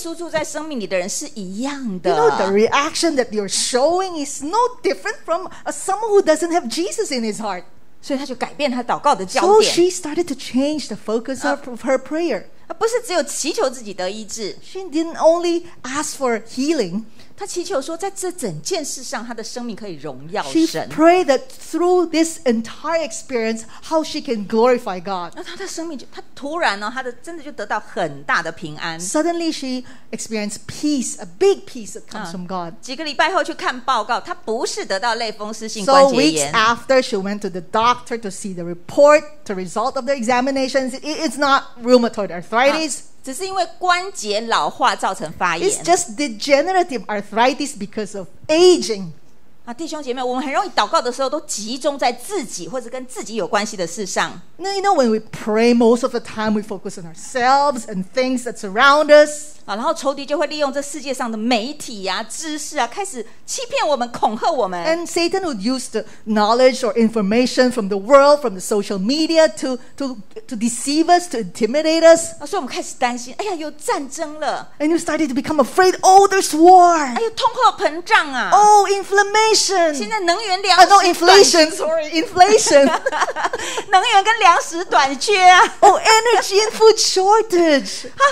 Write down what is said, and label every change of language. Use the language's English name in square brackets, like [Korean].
[Chinese] 他说你现在这种反应跟那个没有耶稣住在生命里的人是一样的 [English] You know, the reaction that you're showing is no different from someone who doesn't have Jesus in his heart [Chinese] 所以他就改变他祷告的焦点 [English] So she started to change the focus of her prayer [Chinese] 不是只有祈求自己得医治 [English] She didn't only ask for healing [Chinese] 她祈求说在这整件事上她的生命可以荣耀神 [English] She prayed that through this entire experience How she can glorify God [Chinese] 她的生命就她突然哦她的真的就得到很大的平安 [English] Suddenly she experienced peace A big peace that comes from God [Chinese] 几个礼拜后去看报告 她不是得到类风湿性关节炎 [English] So weeks after she went to the doctor To see the report The result of the examinations It's not rheumatoid arthritis [Chinese] 只是因为关节老化造成发炎 [English] It's just degenerative arthritis because of aging [Chinese] 啊, 弟兄姐妹, 我们很容易祷告的时候都集中在自己或是跟自己有关系的事上 [English] Now you know when we pray most of the time We focus on ourselves and things that surround us [Chinese] 啊, 然后仇敌就会利用这世界上的媒体啊, 知识啊, 开始欺骗我们, 恐吓我们 [English] And Satan would use the knowledge or information from the world From the social media to deceive us, to intimidate us [Chinese] 啊, 所以我们开始担心, 哎呀, 有战争了 [English] And you started to become afraid Oh, there's war [Chinese] 哎呦, 通货膨胀啊 [English] Oh, inflammation No, inflation, sorry, inflation [Chinese] 能源跟粮食短缺啊 [English] Oh, energy and food shortage